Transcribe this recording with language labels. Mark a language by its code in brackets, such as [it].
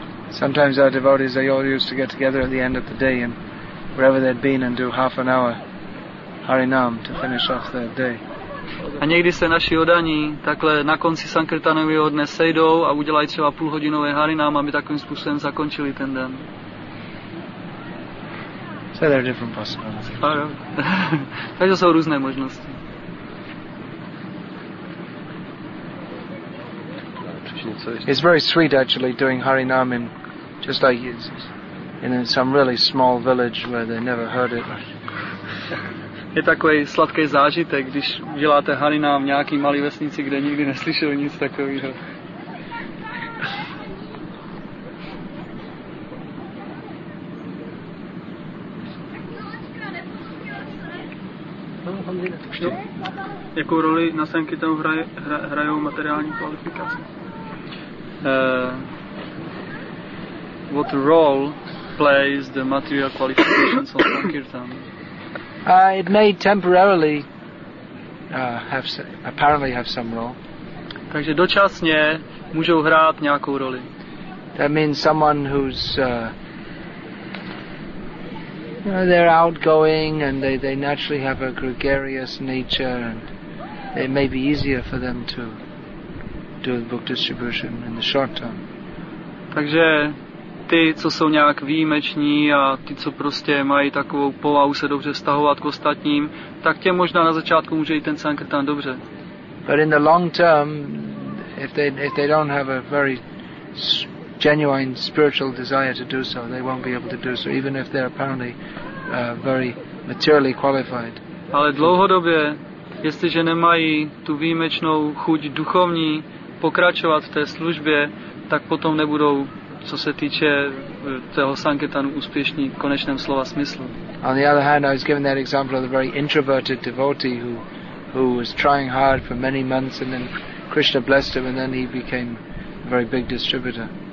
[en] Sometimes our devotees, they all used to get together at the end of the day and wherever they'd been and do half an hour Harinam to finish off their day. [cs] A někdy se naši odaní takhle na konci sankirtanového dne sejdou a udělají třeba půlhodinové Harinam, aby takovým způsobem zakončili ten den. [en] So there are different possibilities. [cs] Takže jsou různé možnosti. [en] It's very sweet actually doing Harinam in just like in some really small village where they never heard it. [cs] Je takový sladký zážitek, když děláte Harinam v nějaký malý vesnici, kde nikdy neslyšel nic takového. Jakou roli na sankirtanu hrajou materiální kvalifikace? [en] What role plays the material qualifications on sankirtan? It may temporarily apparently have some role. [cs] Takže dočasně můžou hrát nějakou roli. [en] That means someone who's they're outgoing and they naturally have a gregarious nature and it may be easier for them to do the book distribution in the short term. [cs] Takže ty, co jsou nějak výjimeční a ty, co prostě mají takovou povahu se dobře vztahovat k ostatním, tak těm možná na začátku může jít ten sankirtan dobře. [en] But in the long term, if they don't have a very genuine spiritual desire to do so, they won't be able to do so, even if they're apparently very materially qualified. [cs] Ale dlouhodobě, jestliže nemají tu výjimečnou chuť duchovní pokračovat v té službě, tak potom nebudou, co se týče toho sankirtanu, úspěšní v konečném slova smyslu. [en] On the other hand, I was given that example of a very introverted devotee who was trying hard for many months and then Krishna blessed him and then he became a very big distributor.